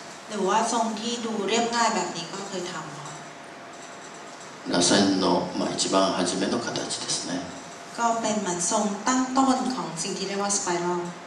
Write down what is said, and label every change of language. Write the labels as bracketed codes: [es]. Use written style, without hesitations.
[th] หรือว่าทรงที่ดูเรียบง่ายแบบนี้ก็เคยทำแล้ว [ja] 螺旋のまあ一番初めの形ですね。 [th] ก็เป็นเหมือนทรงตั้งต้นของสิ่งที่เรียกว่าสไปรัล